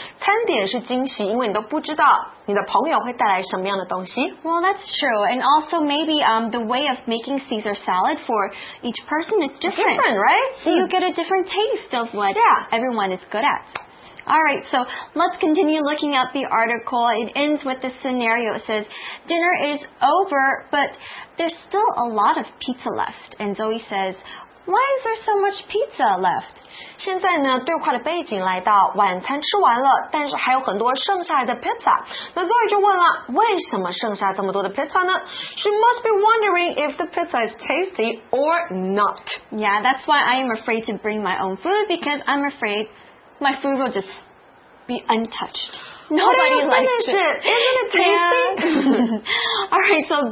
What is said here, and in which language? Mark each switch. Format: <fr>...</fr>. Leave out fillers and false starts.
<zh>餐点是惊喜，因为你都不知道你的朋友会带来什么样的东西。</zh> <en>Well, that's true. And also maybe the way of making Caesar salad for each person is different. Different, right? So you get a different taste of what everyone is good at. Alright, so let's continue looking at the article. It ends with the scenario. It says, dinner is over, but there's still a lot of pizza left. And Zoe says, why is there so much pizza left?</en> <zh>现在呢，对话的背景来到晚餐吃完了，但是还有很多剩下的 pizza。那 Zoe 就问了，为什么剩下这么多的 pizza 呢？</zh> <en>She must be wondering if the pizza is tasty or not. Yeah, that's why I am afraid to bring my own food because I'm afraid my food will just be untouched. Nobody likes it. Isn't it tasty?</en>